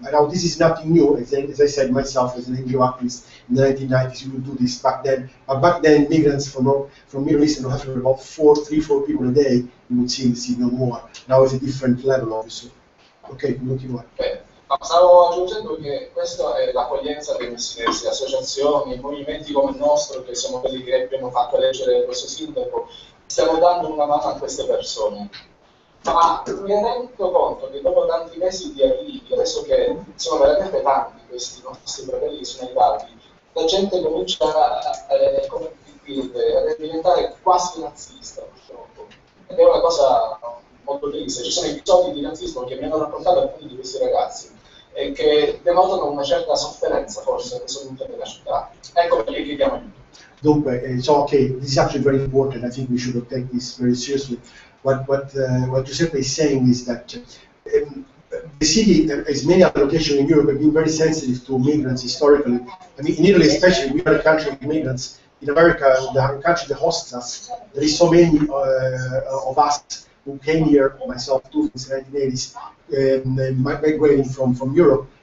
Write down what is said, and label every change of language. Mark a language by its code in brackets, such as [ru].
[en] Now, this is nothing new. As I said myself, as an NGO activist in the 1990s, you would do this back then. But back then, migrants from Middle East and North Africa, about three, four people a day, you would see in the sea, no more. Now it's a different level, obviously. Okay, continue. Okay. [it] Stavo aggiungendo che questa è l'accoglienza delle messinesi, associazioni, movimenti come il nostro, che siamo quelli che abbiamo fatto eleggere questo sindaco, stiamo dando una mano a queste persone. Ma mi rendo conto che dopo tanti mesi di arrivi, adesso che sono veramente tanti questi nostri fratelli che sono arrivati, la gente comincia a diventare quasi nazista, purtroppo. Ed è una cosa molto triste. Ci sono episodi di nazismo che mi hanno raccontato alcuni di questi ragazzi, e che denotano una certa sofferenza forse nel sottotitolo della città. Ecco perché chiediamo aiuto. Dunque, so che [en] this is actually very important. I think we should take this very seriously. What Giuseppe is saying is that the city, as many other locations in Europe, have been very sensitive to migrants historically. I mean, in Italy especially, we are a country of migrants. In America, the country that hosts us, there is so many of us who came here, myself too, since the 1980s, migrating from Europe.